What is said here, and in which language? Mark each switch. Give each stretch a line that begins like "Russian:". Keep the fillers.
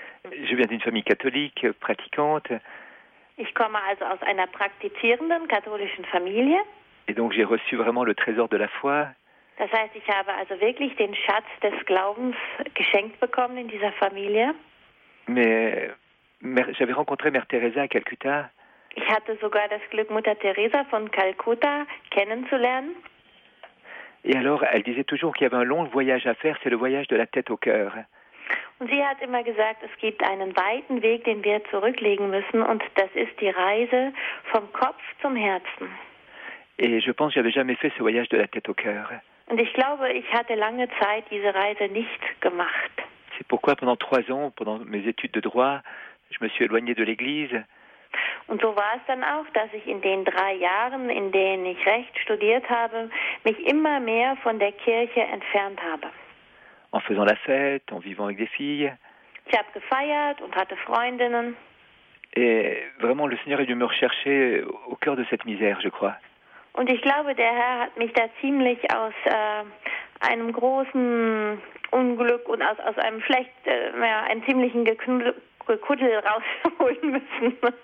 French: Je viens d'une famille catholique, pratiquante.
German: Ich komme also aus einer praktizierenden katholischen Familie.
French: Et donc j'ai reçu vraiment le trésor de la foi.
German: Das heißt, ich habe also wirklich den Schatz des Glaubens geschenkt bekommen in dieser Familie.
French: Mais, mais j'avais rencontré Mère Teresa à Calcutta.
German: Ich hatte sogar das Glück, Mutter Teresa von Calcutta kennenzulernen.
French: Et alors, elle disait toujours qu'il y avait un long voyage à faire, c'est le voyage de la tête au cœur.
German: Und sie hat immer gesagt, es gibt einen weiten Weg, den wir zurücklegen müssen, und das ist die Reise vom Kopf zum Herzen.
French: Et je pense que j'avais jamais fait ce voyage de la tête au cœur.
German: Und ich glaube, ich hatte lange Zeit diese Reise nicht gemacht.
French: C'est pourquoi pendant trois ans, pendant mes études de droit, je me suis éloigné de l'Église.
German: Und so war es dann auch, dass ich in den drei Jahren, in denen ich Recht studiert habe, mich immer mehr von der Kirche entfernt habe.
French: en faisant la fête, en vivant avec des filles.
German: Ich habe gefeiert und hatte Freundinnen.
French: Et vraiment, le Seigneur est venu me rechercher au cœur de cette misère, je crois.
German: Und ich glaube, der Herr hat mich da ziemlich aus äh, einem großen Unglück und aus, aus einem schlecht, äh, ja, einem ziemlichen Geknuddel rausholen müssen.